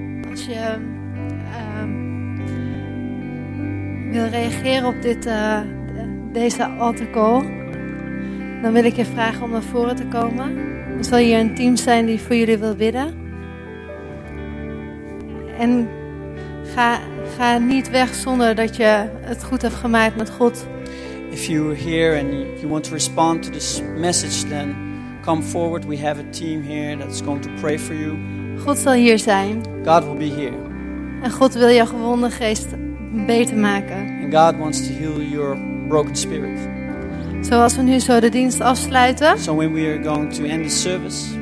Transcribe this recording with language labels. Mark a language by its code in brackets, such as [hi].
[nl] Als je wil reageren op deze altar call, dan wil ik je vragen om naar voren te komen. Dan zal hier een team zijn die voor jullie wil bidden. En ga niet weg zonder dat je het goed hebt gemaakt met God. [en] If you are here and you want to respond to this message, then come forward. We have a team here that's going to pray for you. [nl] God zal hier zijn. [en] God will be here. [nl] En God wil jouw gewonde geest beter maken. [en] And God wants to heal your broken spirit. [nl] Zoals we nu zo de dienst afsluiten. [en] So when we are going to end the service.